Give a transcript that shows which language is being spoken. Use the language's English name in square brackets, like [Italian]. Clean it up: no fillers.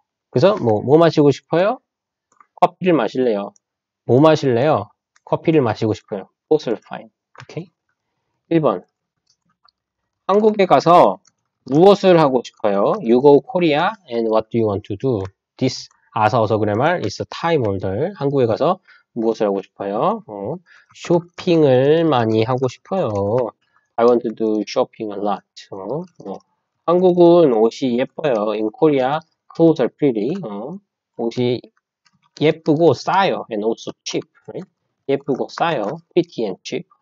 [Korean] 그래서 뭐 마시고 싶어요? 커피를 마실래요? 뭐 마실래요? 커피를 마시고 싶어요. [English] Both are fine. Okay. [Korean] 1번. 한국에 가서 무엇을 하고 싶어요? [English] You go Korea and what do you want to do? This [Korean] 아서 어서 그래 말 [English] is a time order. [Korean] 한국에 가서 무엇을 하고 싶어요? 쇼핑을 많이 하고 싶어요. [English] I want to do shopping a lot. [Korean] 한국은 옷이 예뻐요. [English] In Korea, clothes are pretty. [Korean] 옷이 예쁘고 싸요. [English] And also cheap. Right? [Korean] 예쁘고 싸요. [English] Pretty and cheap.